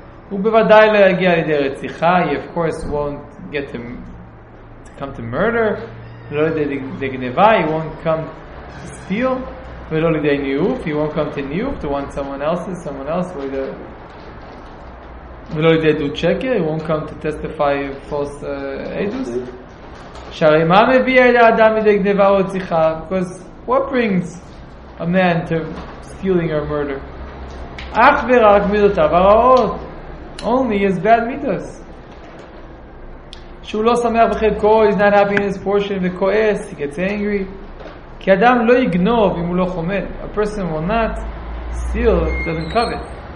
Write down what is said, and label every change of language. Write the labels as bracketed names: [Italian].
[Hebrew] U'bevadai le'agi al-idei retzicha, [English] he of course won't get to come to murder. [Hebrew] Lo de'gneva, [English] he won't come to steal. [Hebrew] Ve'lo li'dei ni'uf, [English] he won't come to ni'uf, to want someone else with a... He won't come to testify false edus. [Hebrew] שהרי מה מביא אל האדם מדי גניבה או רציחה? [English] Because what brings a man to stealing or murder? [Hebrew] אך ורק מידותיו הרעות. [English] Only his bad midos. [Hebrew] שהוא לא שמח בחלקו, [English] he's not happy in his portion, [Hebrew] וכועס, [English] he gets angry. [Hebrew] כי אדם לא יגנוב אם הוא לא חומד. [English] A person will not steal, doesn't covet.